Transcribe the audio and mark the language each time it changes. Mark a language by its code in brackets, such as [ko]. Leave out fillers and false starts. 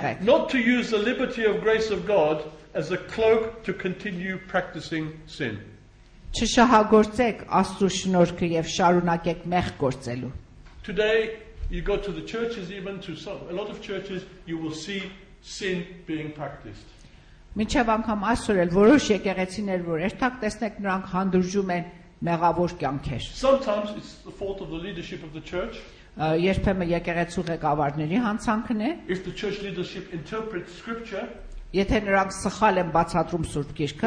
[en] Not to use the liberty of grace of God as a cloak to continue practicing sin. Today you go to the churches, even to some, a lot of churches, you will see sin being practiced. [hy] Մինչև անգամ այսօր էլ որոշ եկեղեցիներ որ երթակ տեսնեք նրանք հանդուրժում են մեղավոր կյանքեր. [en] Sometimes it's the fault of the leadership of the church. [hy] Երբեմն եկեղեցու ղեկավարների հանցանքն է. [en] If the church leadership interprets scripture, [hy] եթե նրանք սխալ են բացատրում Սուրբ Գիրքը,